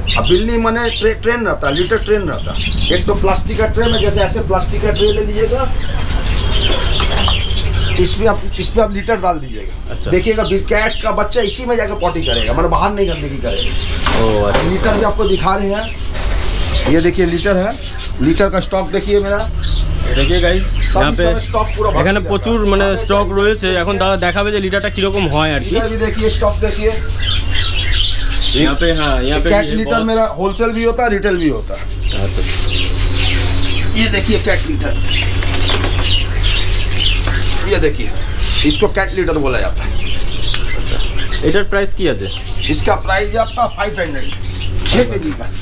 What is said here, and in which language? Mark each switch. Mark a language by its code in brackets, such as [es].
[hi] अब बिल्ली मने ट्रेन रहता है, लीटर ट्रेन रहता है। एक तो प्लास्टिक का ट्रे में, जैसे ऐसे प्लास्टिक का ट्रे ले लीजिएगा, इसमें आप लीटर डाल दीजिएगा। अच्छा। देखिएगा कैट का बच्चा इसी में जाकर पॉटी करेगा, मतलब बाहर नहीं गंदगी करेगा। लीटर भी आपको दिखा रहे हैं, ये देखिए लीटर है, लीटर का स्टॉक देखिए मेरा। देखिए गाइस यहां पे स्टॉक पूरा [bn] এখানে প্রচুর মানে স্টক রয়েছে। এখন দাদা দেখাবে যে লিটারটা কি রকম হয় আর কি। আপনি দেখিয়ে স্টক দেখিয়ে [hi] यहां पे। हां यहां पे कैट लीटर मेरा होलसेल भी होता है, रिटेल भी होता है। अच्छा। ये देखिए कैट लीटर, ये देखिए इसको कैट लीटर बोला जाता [bn] है। এটার প্রাইস কি আছে? [hi] इसका प्राइस है आपका 500 6kg का।